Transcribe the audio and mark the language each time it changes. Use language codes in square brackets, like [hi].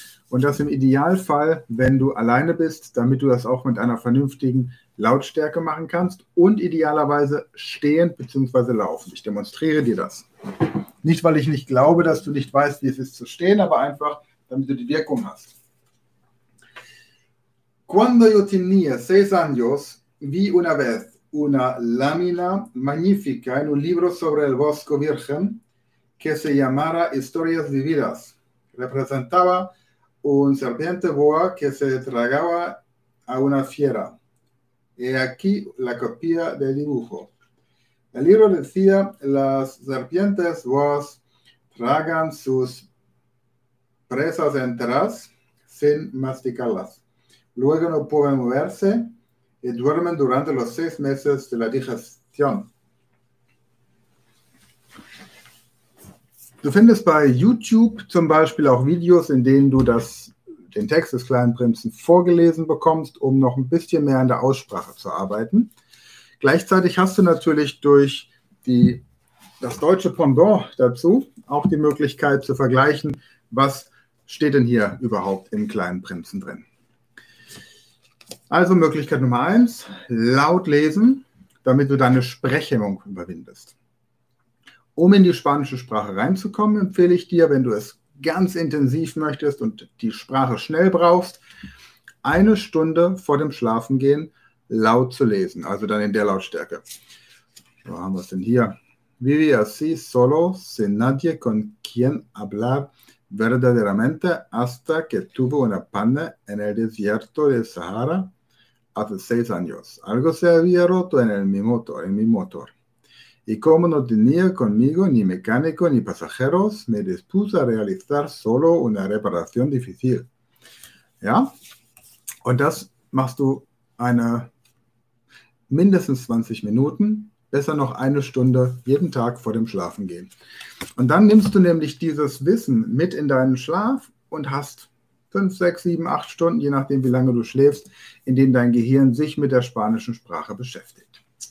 [de] Und das im Idealfall, wenn du alleine bist, damit du das auch mit einer vernünftigen Lautstärke machen kannst und idealerweise stehend bzw. laufend. Ich demonstriere dir das. Nicht, weil ich nicht glaube, dass du nicht weißt, wie es ist zu stehen, aber einfach, damit du die Wirkung hast. [es] Cuando yo tenía 6 años, vi una vez una lámina magnífica en un libro sobre el bosque virgen que se llamara Historias vividas. Representaba un serpiente boa que se tragaba a una fiera. He aquí la copia del dibujo. El libro decía, las serpientes boas tragan sus presas enteras sin masticarlas. Luego no pueden moverse y duermen durante los 6 meses de la digestión. [de] Du findest bei YouTube zum Beispiel auch Videos, in denen du den Text des kleinen Prinzen vorgelesen bekommst, um noch ein bisschen mehr an der Aussprache zu arbeiten. Gleichzeitig hast du natürlich durch das deutsche Pendant dazu auch die Möglichkeit zu vergleichen, was steht denn hier überhaupt im kleinen Prinzen drin. Also Möglichkeit Nummer 1, laut lesen, damit du deine Sprechhemmung überwindest. Um in die spanische Sprache reinzukommen, empfehle ich dir, wenn du es ganz intensiv möchtest und die Sprache schnell brauchst, eine Stunde vor dem Schlafengehen laut zu lesen, also dann in der Lautstärke. Wo haben wir es denn hier? [es] Vivía así solo, sin nadie con quien hablar verdaderamente, hasta que tuve una pane en el desierto de Sahara hace 6 años. Algo se había roto en mi motor. Y como no tenía conmigo ni mecánico ni pasajeros, me dispuse a realizar solo una reparación difícil. ¿Ya? [de] Und das machst du eine mindestens 20 Minuten, besser noch eine Stunde jeden Tag vor dem Schlafengehen. Und dann nimmst du nämlich dieses Wissen mit in deinen Schlaf und hast 5, 6, 7, 8 Stunden, je nachdem, wie lange du schläfst, in denen dein Gehirn sich mit der spanischen Sprache beschäftigt.